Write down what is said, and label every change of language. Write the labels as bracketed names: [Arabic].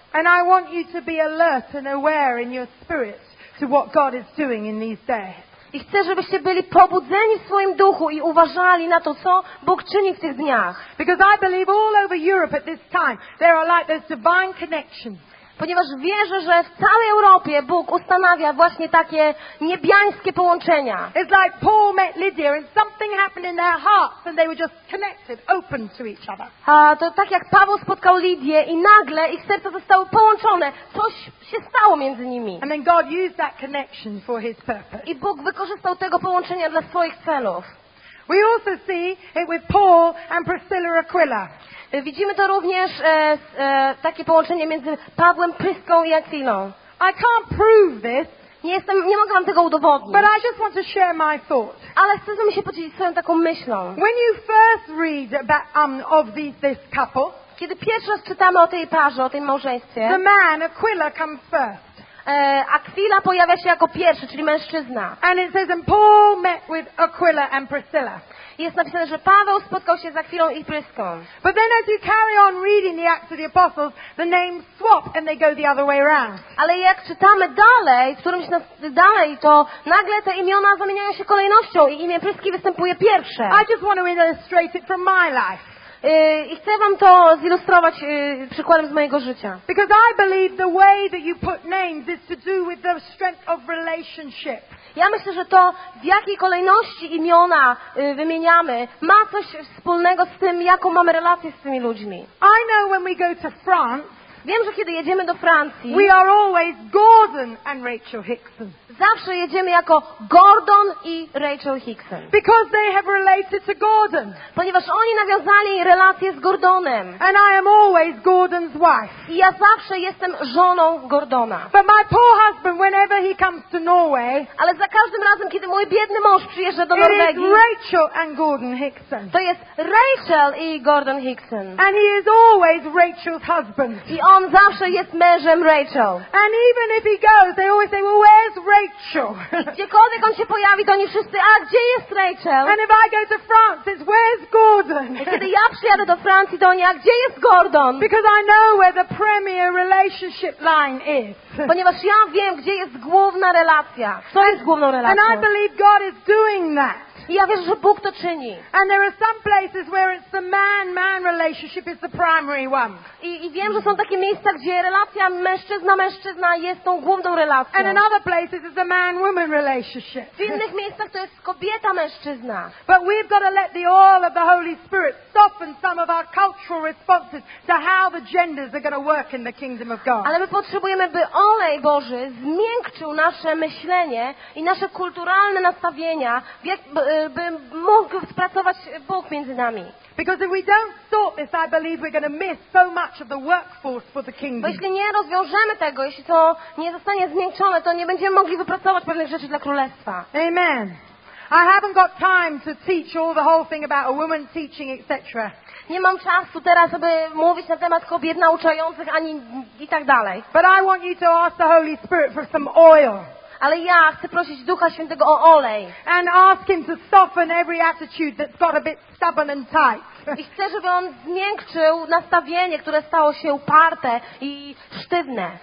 [English] And I want you to be alert and aware in your spirit to what God is doing in these days. [Polish] I chcę, żebyście byli pobudzeni w swoim duchu i uważali na to, co Bóg czyni w tych dniach. [English] Because I believe all over Europe at this time there are like those divine connections. [Polish] Ponieważ wierzę, że w całej Europie Bóg ustanawia właśnie takie niebiańskie połączenia. [English] It's like Paul met Lydia and something happened in their hearts and they were just connected, open to each other. [Polish] A to tak jak Paweł spotkał Lidię i nagle ich serca zostały połączone. Coś się stało między nimi. [English] And then God used that connection for his purpose. [Polish] I Bóg wykorzystał tego połączenia dla swoich celów. [English] We also see it with Paul and Priscilla Aquila. [Polish] Widzimy to również takie połączenie między Pawłem, Pryską i Akwiną. [English] I can't prove this. [Polish] Nie mogę wam tego udowodnić. [English] But I just want to share my thought. [Polish] Ale chcę z wami się podzielić swoją taką myślą. [English] When you first read about this couple, [Polish] kiedy pierwszy raz czytamy o tej parze, o tym małżeństwie, [English] the man Aquila comes first. [Polish] Akwila pojawia się jako pierwszy, czyli mężczyzna. [English] And it says, and Paul met with Aquila and Priscilla. [Polish] Jest napisane, że Paweł spotkał się za chwilą i Pryską. [English] But then as you carry on reading the Acts of the Apostles, the names swap and they go the other way around. [Polish] Ale jak czytamy dalej, to nagle te imiona zamieniają się kolejnością i imię Pryski występuje pierwsze. [English] I just want to illustrate it from my life. [Polish] I chcę wam to zilustrować przykładem z mojego życia. [English] Because I believe the way that you put names is to do with the strength of relationship. [Polish] Ja myślę, że to, w jakiej kolejności imiona wymieniamy, ma coś wspólnego z tym, jaką mamy relację z tymi ludźmi. [English] I know when we go to France, [Polish] wiem, że kiedy jedziemy do Francji, [English] we are always Gordon and Rachel Hickson. [Polish] Zawsze jedziemy jako Gordon i Rachel Hickson. [English] Because they have related to Gordon. [Polish] Ponieważ oni nawiązali relację z Gordonem. [English] And I am always Gordon's wife. [Polish] I ja zawsze jestem żoną Gordona. [English] But my poor husband, whenever he comes to Norway, [Polish] ale za każdym razem, kiedy mój biedny mąż przyjeżdża do Norwegii, [English] it is Rachel and Gordon Hickson. [Polish] To jest Rachel i Gordon Hickson. [English] And he is always Rachel's husband. [Polish] I on zawsze jest mężem Rachel. [English] And even if he goes, they always say, well, where's Rachel? [Polish] I gdziekolwiek on się pojawi, to oni wszyscy, a gdzie jest Rachel? [English] And if I go to France, it's where's Gordon? [Polish] I kiedy ja przyjadę do Francji, to oni, a gdzie jest Gordon? [English] Because I know where the premier relationship line is. [Polish] Ponieważ ja wiem, gdzie jest główna relacja. Co jest główną relacją? [English] And I believe God is doing that. [Polish] I ja wierzę, że Bóg to czyni. [English] And there are some places where it's the man-man relationship is the primary one. [Polish] I wiem, że są takie miejsca, gdzie relacja mężczyzna-mężczyzna jest tą główną relacją. [English] And in other places it's the man-woman relationship. [Polish] W innych miejscach to jest kobieta-mężczyzna. [English] But we've got to let the oil of the Holy Spirit soften some of our cultural responses to how the genders are going to work in the kingdom of God. [Polish] Ale my potrzebujemy, by olej Boży zmiękczył nasze myślenie i nasze kulturalne nastawienia, by mógł pracować Bóg między nami. [English] Because if we don't sort this, I believe we're going to miss so much of the workforce for the kingdom. [Polish] Jeśli nie rozwiążemy tego, jeśli to nie zostanie zmiękczone, to nie będziemy mogli wypracować pewnych rzeczy dla królestwa. [English] Amen. I haven't got time to teach all the whole thing about a woman teaching, etc. [Polish] Nie mam czasu teraz, aby mówić na temat kobiet nauczających ani i tak dalej. [English] But I want you to ask the Holy Spirit for some oil. [Polish] Ale ja chcę prosić Ducha Świętego o olej. [English] And ask him to soften every attitude that's got a bit stubborn and tight. [Polish] I chcę, żeby on zmiękczył nastawienie, które stało się uparte i sztywne.